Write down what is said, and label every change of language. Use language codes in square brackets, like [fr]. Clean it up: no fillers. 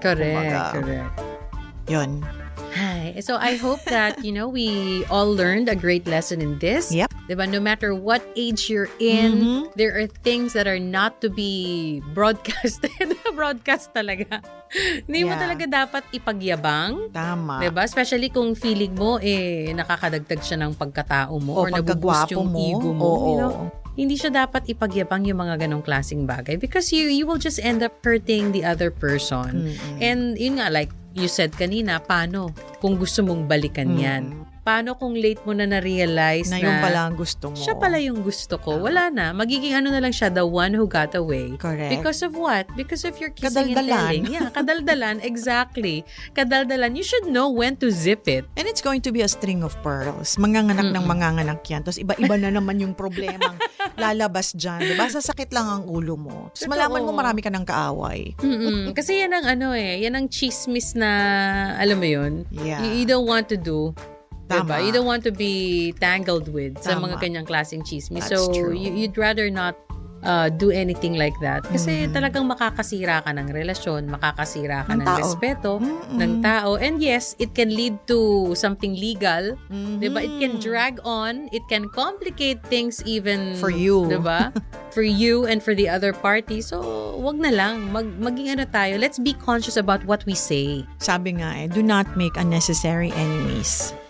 [en] Correct. [tl] Yun. [en] Hi. So I hope that, you know, we all learned a great lesson in this. Yep. [tl] Diba? [en] No matter what age you're in, mm-hmm. there are things that are not to be broadcasted. [tl] Broadcast talaga. Hindi mo talaga dapat ipagyabang. Tama. Diba? Especially kung feeling mo, nakakadagdag siya ng pagkatao mo [en] or [tl] nabubust yung ego mo. Oo. [en] You know? [tl] hindi siya dapat ipagyabang yung mga ganong klaseng bagay [en] because you will just end up hurting the other person. Mm-hmm. [tl] And yun nga, [en] like you said [tl] kanina, paano kung gusto mong balikan yan? Paano kung late mo na na-realize na yung pala ang gusto mo? Siya pala yung gusto ko. Wala na. Magiging ano na lang siya, [en] the one who got away. Correct. Because of what? Because of your kissing and telling. Yeah, [tl] kadaldalan. [en] Exactly. Kadaldalan. You should know when to zip it. And it's going to be a string of pearls. [tl] Manganganak ng manganganak yan. Tapos iba-iba na naman yung problemang lalabas dyan. Diba? Sasakit lang ang ulo mo. Tapos malaman mo marami ka ng kaaway. Kasi yan ang ano eh. Yan ang chismis na, alam mo yun? [en] Yeah. You don't want to do. Diba? You don't want to be tangled with [tl] sa mga kanyang klaseng chismis. [en] That's so true. You'd rather not do anything like that. [tl] Kasi talagang makakasira ka ng relasyon, makakasira ka ng respeto ng tao. [en] And yes, it can lead to something legal. Mm-hmm. Diba? It can drag on. It can complicate things even for you. [tl] Diba? [en] For you and for the other party. So, [tl] wag na lang. Maging ano tayo. [en] Let's be conscious about what we say. [tl] Sabi nga eh, [en] do not make unnecessary enemies.